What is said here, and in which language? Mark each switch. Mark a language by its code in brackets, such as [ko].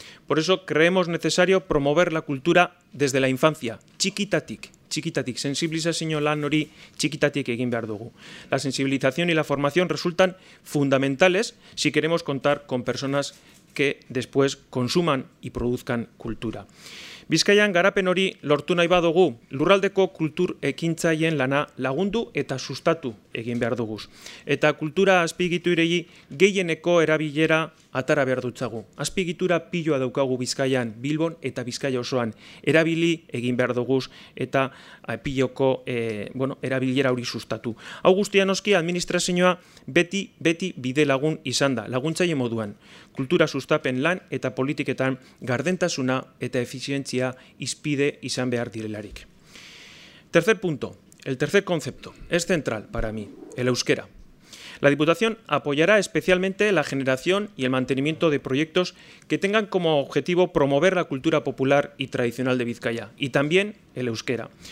[es] Por eso creemos necesario promover la cultura desde la infancia, chiquitatik, chiquitatik, [eu] sensibilizazio lan hori chiquitatik egin behar dugu. [es] La sensibilización y la formación resultan fundamentales si queremos contar con personas que después consuman y produzcan cultura. [eu] Bizkaian garapen hori lortu nahi badugu, lurraldeko kultur ekintzaien lana lagundu eta sustatu egin behar duguz. Eta kultura azpigiturei gehieneko erabilera atara behar dutzagu. Azpigitura piloa daukagu Bizkaian, Bilbon eta Bizkaia osoan. Erabili egin behar duguz eta piloko erabilera hori sustatu. Hau guztia noski administrazioa beti bide lagun izan da, laguntzaile moduan. Kultura sustapen lan eta politiketan gardentasuna eta efizientzia izpide izan behar direlarik. [es] Tercer punto, el tercer concepto, es central para mí, el euskera. La Diputación apoyará especialmente la generación y el mantenimiento de proyectos que tengan como objetivo promover la cultura popular y tradicional de Bizkaia y también el euskera.